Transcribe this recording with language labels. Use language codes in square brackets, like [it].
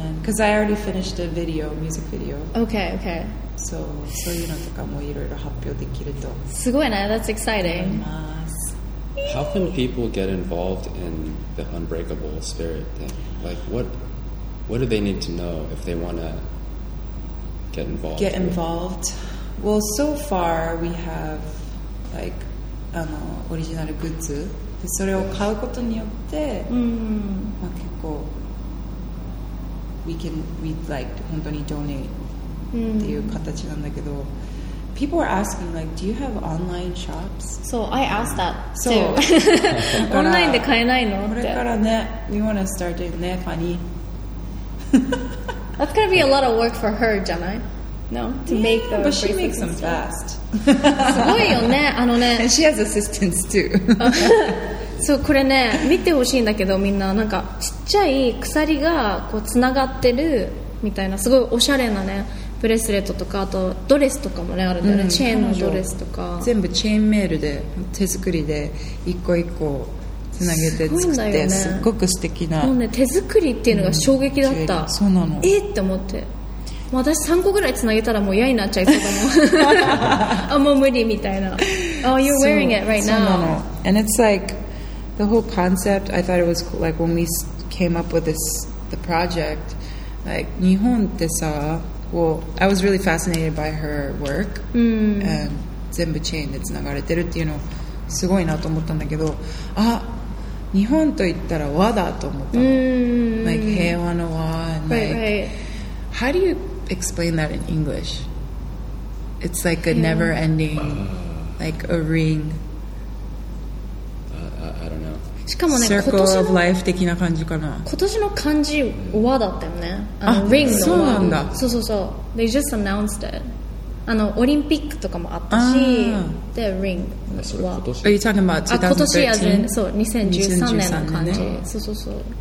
[en] Because I already finished a video, music video. Okay, okay. [ja] So, そういうのとかもいろいろ発表できると。すごいね。 [en] That's exciting. How can people get involved in the Unbreakable Spirit thing? Like, what do they need to know if they want to get involved? Get involved? Well, so far we have, like, original goods. [ja] でそれを買うことによって、うん、まあ、結構 [en] we can we like [ja] 本当に donate っていう形なんだけど、うん、 [en] people are asking like do you have online shops? So I asked that too. [ja] そうオンラインで買えないのって。これからね、 [en] we wanna start it [ja] ね、ファニ [en] ー。 That's gonna be a lot of work for her, [ja] じゃない？ [en] No, to yeah, make the but she makes them fast. [ja] すごいよね、あのね、 [en] And she has assistants too. [ja] そう、これね見てほしいんだけど、みんななんかちっちゃい鎖がこうつながってるみたいな、すごいおしゃれなねブレスレットとか、あとドレスとかもね、あるんだよね、うん、チェーンのドレスとか全部チェーンメールで手作りで一個一個つなげて作って、すごいんだよね、すっごく素敵な、もうね手作りっていうのが衝撃だった、うん、そうなの、えって思って。私3個ぐらいつなげたらもう嫌になっちゃいそうかも。あ、もう無理みたいな。 [en] Oh, you're wearing it right now. [ja] そうなの。 [en] And it's like, the whole concept, I thought it was cool. Like, when we came up with this, the project, like, [ja] 日本ってさ、 [en] well, I was really fascinated by her work. [ja] And 全部チェーンでつながれてるっていうの、すごいなと思ったんだけど、あ、日本といったら和だと思ったの。 Like, 平和の和。 [en] Right, right. How do you explain that in English? It's like a never-ending, like a ring. I don't know. [ja] しかもね、今年の Circle of Life 的な感じかな。今年の漢字和だったよね。あ、Ring の和。そうなんだ。そうそうそう。 [en] They just announced it。 [ja] あのオリンピックとかもあったし、で Ring の和。 [en] Are you talking about 2013? [ja] そう、2013年の漢字。そうそうそう。